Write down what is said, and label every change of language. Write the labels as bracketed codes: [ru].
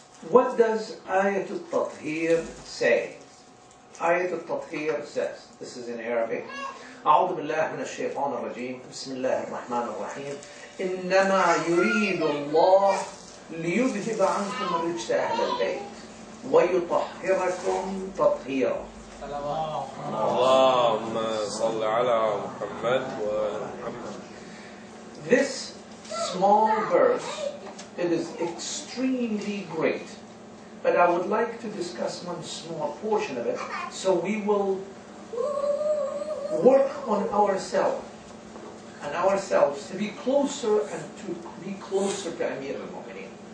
[en] What does Ayatul Taqdeer say? Ayatul Taqdeer says, this is in Arabic, [ar] أعوذ بالله من الشيطان الرجيم بسم الله الرحمن الرحيم إنما يريد الله ليذهب عنكم رجس أهل البيت ويطهركم تطهيرا. اللهم صل على محمد وآل محمد. [en] This small verse, it is extremely great, but I would like to discuss one small portion of it, so we will work on ourselves to be closer and to be closer to Amir al-Mu'mineen.